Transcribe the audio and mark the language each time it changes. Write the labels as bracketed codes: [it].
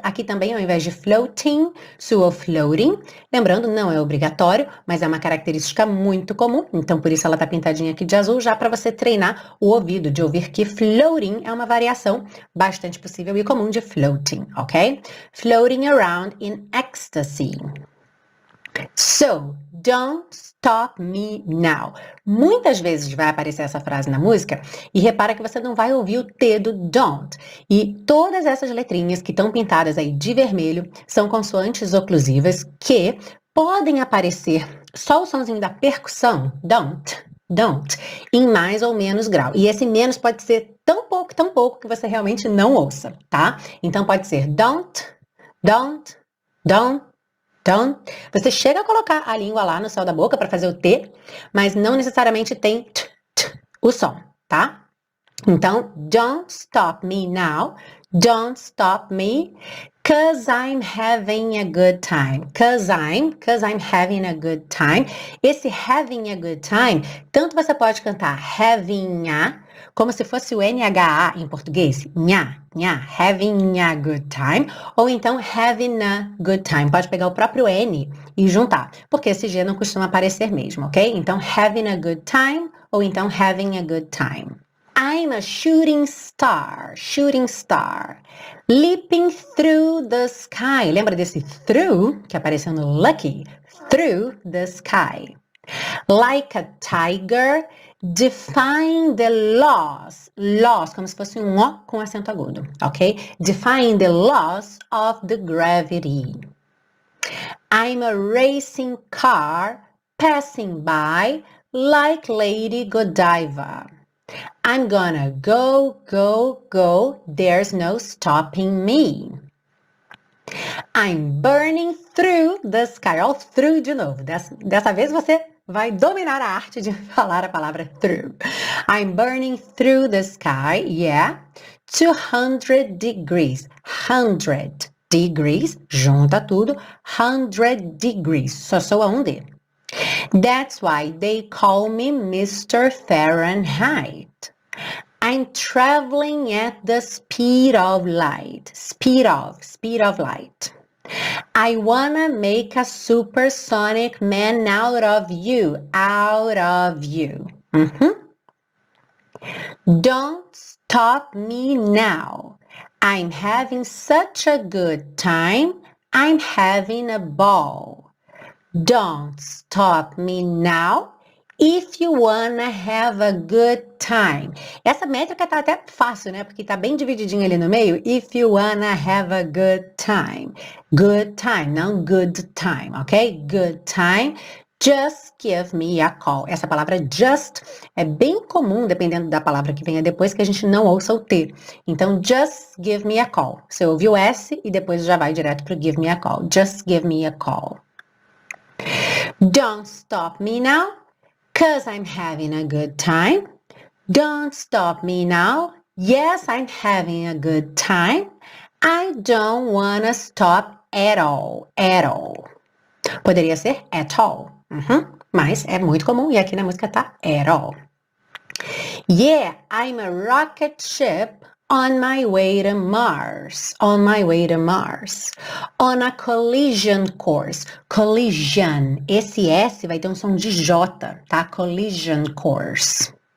[pt] Aqui também, ao invés de floating, sou floating. Lembrando, não é obrigatório, mas é uma característica muito comum. Então, por isso ela tá pintadinha aqui de azul, já para você treinar o ouvido de ouvir que floating é uma variação bastante possível e comum de floating, ok? [en] Floating around in ecstasy. So, don't stop me now. [pt] Muitas vezes vai aparecer essa frase na música e repara que você não vai ouvir o T do don't. E todas essas letrinhas que estão pintadas aí de vermelho são consoantes oclusivas que podem aparecer só o sonzinho da percussão, don't, don't, em mais ou menos grau. E esse menos pode ser tão pouco que você realmente não ouça, tá? Então pode ser don't, don't, don't. Então, você chega a colocar a língua lá no céu da boca para fazer o T, mas não necessariamente tem t, t, o som, tá? [en] Então, don't stop me now, don't stop me, cause I'm having a good time. Cause I'm having a good time. [pt] Esse [en] having a good time, [pt] tanto você pode cantar having a, como se fosse o NHA em português, nha, nha, having a good time, ou então having a good time, pode pegar o próprio N e juntar, porque esse G não costuma aparecer mesmo, ok? Então, having a good time, [en] ou então having a good time. I'm a shooting star, shooting star. Leaping through the sky. [pt] Lembra desse through que apareceu no lucky? [en] Through the sky. Like a tiger, defying the laws. [pt] Laws, como se fosse um O com acento agudo, ok? [en] Defying the laws of the gravity. I'm a racing car passing by like Lady Godiva. I'm gonna go, go, go, there's no stopping me. I'm burning through the sky, all through [pt] de novo. Dessa vez você vai dominar a arte de falar a palavra through. [en] I'm burning through the sky, yeah, 200 degrees, 100 degrees, [pt] junta tudo, [en] 100 degrees, [pt] só soa um D. [en] That's why they call me Mr. Fahrenheit. I'm traveling at the speed of light. Speed of light. I wanna make a supersonic man out of you. Out of you. Mm-hmm. Don't stop me now. I'm having such a good time. I'm having a ball. Don't stop me now, if you wanna have a good time. [pt] Essa métrica tá até fácil, né? Porque tá bem divididinha ali no meio. [en] If you wanna have a good time. Good time, [pt] não [en] good time, ok? Good time, just give me a call. [pt] Essa palavra just é bem comum, dependendo da palavra que venha depois, que a gente não ouça o T. Então, [en] just give me a call. [pt] Você ouve o S e depois já vai direto pro [en] give me a call. Just give me a call. Don't stop me now, 'cause I'm having a good time. Don't stop me now, yes, I'm having a good time. I don't wanna stop at all, at all. [pt] Poderia ser [en] at all, [pt] mas é muito comum e aqui na música tá at all. [en] Yeah, I'm a rocket ship on my way to Mars, on my way to Mars, on a collision course, collision, [pt] esse S vai ter um som de J, tá, [en] collision course.